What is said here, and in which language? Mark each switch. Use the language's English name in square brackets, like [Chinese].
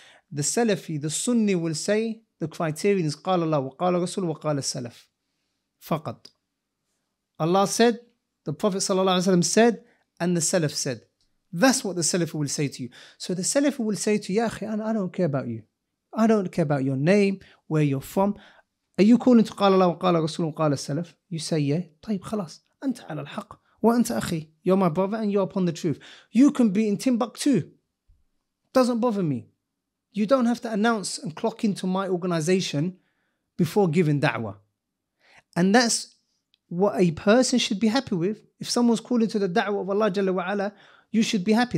[English] The Salafi, the Sunni will say the criterion is [Arabic] قال الله وقال رسول وقال السلف فقط. [English] Allah said, the Prophet sallallahu alaihi wasallam said, and the Salaf said. That's what the Salafi will say to you. So the Salafi will say to you, [Arabic] يا أخي, [English] I don't care about you. I don't care about your name, where you're from. Are you calling to [Arabic] قال الله وقال رسول وقال السلف? [English] You say, yeah. [Arabic] طيب خلاص, أنت على الحق وأنت أخي. [English] You're my brother and you're upon the truth. You can be in Timbuktu. Doesn't bother me. You don't have to announce and clock into my organization before giving da'wah. And that's what a person should be happy with. If someone's calling to the da'wah of Allah Jalla wa Ala, you should be happy.